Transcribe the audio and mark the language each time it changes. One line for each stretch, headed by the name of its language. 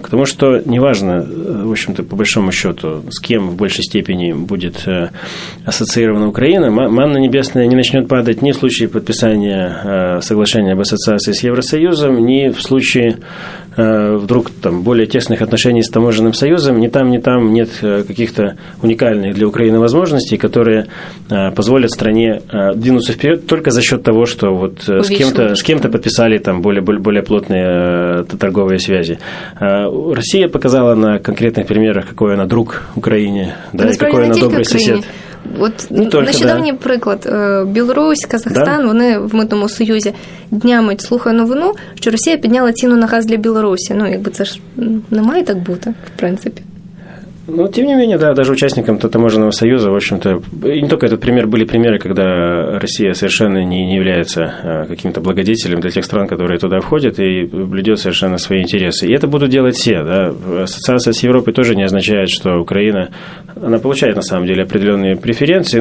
Russian: К тому, что неважно, в общем-то, по большому счету, с кем в большей степени будет ассоциирована Украина, манна небесная не начнет падать ни в случае подписания соглашения об ассоциации с Евросоюзом, ни в случае вдруг там более тесных отношений с таможенным союзом, ни там нет каких-то уникальных для Украины возможностей, которые позволят стране двинуться вперед только за счет того, что вот с кем-то подписали там более плотные торговые связи. Россия показала на конкретных примерах, какой она друг Украине, да, и какой она добрый сосед.
Ukrainian: От нещодавній приклад. Білорусь, Казахстан, вони в митному союзі днями слухають новину, що Росія підняла ціну на газ для Білорусі. Ну, якби це ж не має так бути, в принципі.
Russian: Ну, тем не менее, да, даже участникам таможенного союза, в общем-то, не только этот пример, были примеры, когда Россия совершенно не является каким-то благодетелем для тех стран, которые туда входят, и блюдет совершенно свои интересы. И это будут делать все, да. Ассоциация с Европой тоже не означает, что Украина, она получает, на самом деле, определенные преференции.